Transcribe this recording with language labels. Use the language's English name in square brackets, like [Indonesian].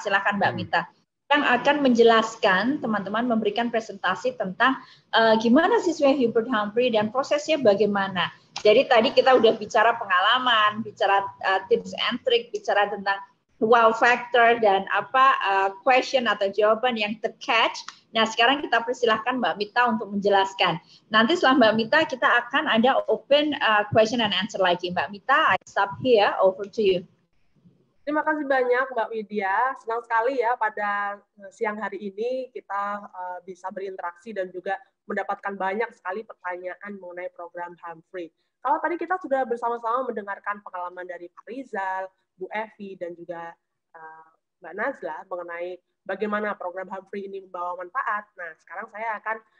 [Indonesian] Silakan Mbak Mita yang akan menjelaskan teman-teman memberikan presentasi tentang gimana sih sebenarnya Hubert Humphrey dan prosesnya bagaimana. Jadi tadi kita udah bicara pengalaman, bicara tips and trick, bicara tentang wow factor dan apa question atau jawaban yang the catch. Nah, sekarang kita persilahkan Mbak Mita untuk menjelaskan. Nanti setelah Mbak Mita, kita akan ada open question and answer lagi. [English] Mbak Mita, I stop here, over to you. [Indonesian] Terima kasih banyak Mbak Widya. Senang sekali ya pada siang hari ini kita bisa berinteraksi dan juga mendapatkan banyak sekali pertanyaan mengenai program Humphrey. Kalau tadi kita sudah bersama-sama mendengarkan pengalaman dari Pak Rizal, Bu Evi, dan juga Mbak Nazla mengenai bagaimana program Humphrey ini membawa manfaat. Nah, sekarang saya akan